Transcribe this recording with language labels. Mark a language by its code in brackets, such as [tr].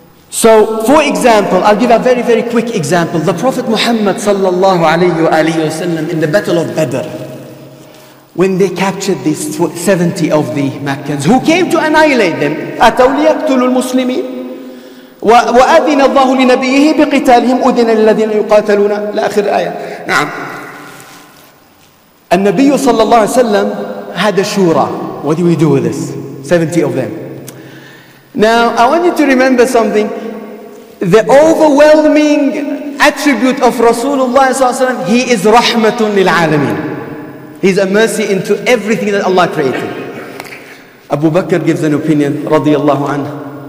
[en] So, for example, I'll give a very, very quick example. The Prophet Muhammad sallallahu alayhi wa sallam in the Battle of Badr, when they captured these 70 of the Meccans, who came to annihilate them, [ar] أَتَوْ لِيَقْتُلُوا الْمُسْلِمِينَ وَأَذِنَ اللَّهُ لِنَبِيِّهِ بِقِتَالِهِمْ أُذِنَ لِلَّذِينَ يُقَاتَلُونَ لآخر الآية. نعم. النبي صلى الله عليه وسلم [en] had a shura. What do we do with this? 70 of them. Now, I want you to remember something. The overwhelming attribute of Rasulullah SAW, he is rahmatun lil alamin. He's a mercy into everything that Allah created. Abu Bakr gives an opinion, radiyallahu anhu.